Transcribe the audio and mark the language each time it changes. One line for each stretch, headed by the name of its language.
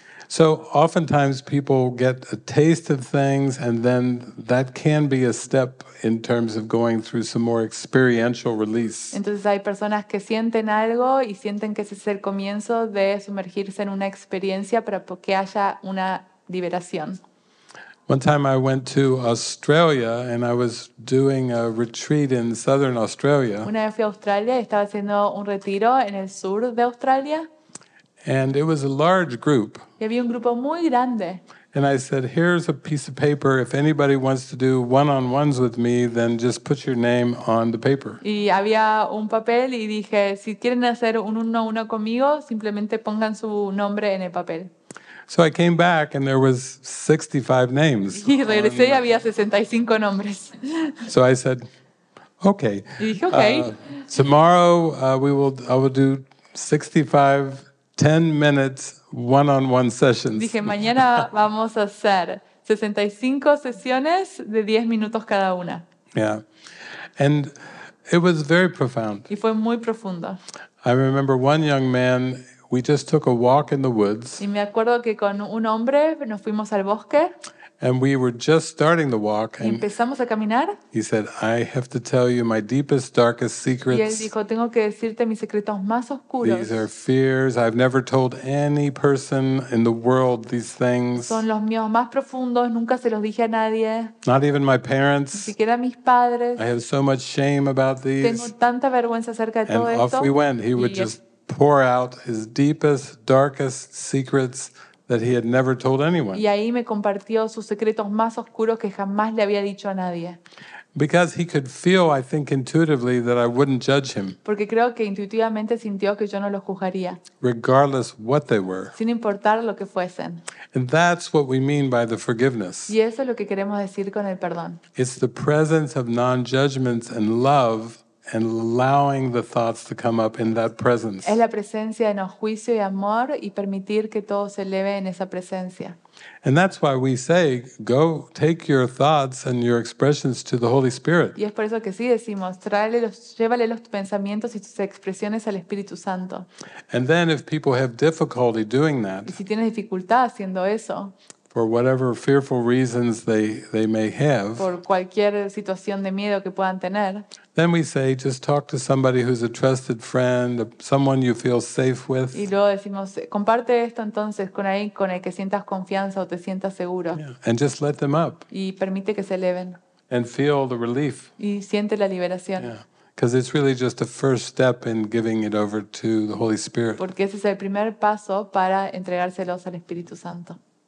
English: So oftentimes people get a taste of things and then that can be a step in terms of going through some more experiential release.
Spanish: Entonces hay personas que sienten algo y sienten que ese es el comienzo de sumergirse en una experiencia para que haya una liberación.
English: One time I went to Australia and I was doing a retreat in southern Australia.
Spanish: Una vez fui a Australia y estaba haciendo un retiro en el sur de Australia.
English: And it was a large group.
Spanish: Y había un grupo muy grande.
English: And I said, here's a piece of paper. If anybody wants to do one-on-ones with me, then just put your name on the paper.
Spanish: Y había un papel y dije, si quieren hacer un uno-a-uno conmigo, simplemente pongan su nombre en el papel.
English: So I came back and there was 65 names.
Spanish: Y regresé y había 65 nombres.
English: So I said, okay.
Spanish: Y dije, okay.
English: Tomorrow I will do 65 10 minutes one-on-one sessions.
Spanish: Dije, mañana vamos a hacer 65 sesiones de 10 minutos cada una.
English: Yeah. And it was very profound.
Spanish: Y fue muy profundo.
English: I remember one young man, we just took a walk in the woods.
Spanish: Y me acuerdo que con un hombre nos fuimos al bosque.
English: And we were just starting the walk.
Spanish: Y empezamos a caminar.
English: He said, I have to tell you my deepest, darkest secrets.
Spanish: Y él dijo, tengo que decirte mis secretos más oscuros.
English: These are fears. I've never told any person in the world these things.
Spanish: Son los míos más profundos. Nunca se los dije a nadie.
English: Not even my parents.
Spanish: Ni siquiera mis padres.
English: I have so much shame about these.
Spanish: Tengo tanta vergüenza acerca de todo esto.
English: And off we went. He would just pour out his deepest, darkest secrets that he had never told anyone.
Spanish: Y ahí me compartió sus secretos más oscuros que jamás le había dicho a nadie.
English: Because he could feel, I think intuitively, that I wouldn't judge him.
Spanish: Porque creo que intuitivamente sintió que yo no lo juzgaría.
English: Regardless what they were.
Spanish: Sin importar lo que fuesen.
English: And that's what we mean by the forgiveness.
Spanish: Y eso es lo que queremos decir con el perdón.
English: It's the presence of non-judgment and love and allowing the thoughts to come up in that presence.
Spanish: Es la presencia de no juicio y amor y permitir que todo se eleve en esa presencia.
English: And that's why we say, go take your thoughts and your expressions to the Holy Spirit.
Spanish: Y es por eso que sí decimos, llévale los pensamientos y tus expresiones al Espíritu Santo.
English: And then if people have difficulty doing that,
Spanish: y si tienes dificultad haciendo eso,
English: for whatever fearful reasons they may have,
Spanish: por cualquier situación de miedo que puedan tener,
English: then we say, just talk to somebody who's a trusted friend, someone you feel safe with.
Spanish: Y luego decimos, comparte esto entonces con alguien con el que sientas confianza o te sientas seguro.
English: Yeah. And just let them up.
Spanish: Y permite que se eleven.
English: And feel the relief.
Spanish: Y siente la liberación.
English: Yeah. Because it's really just the first step in giving it over to the Holy Spirit.
Spanish: Porque ese es el primer paso para entregárselos al Espíritu Santo.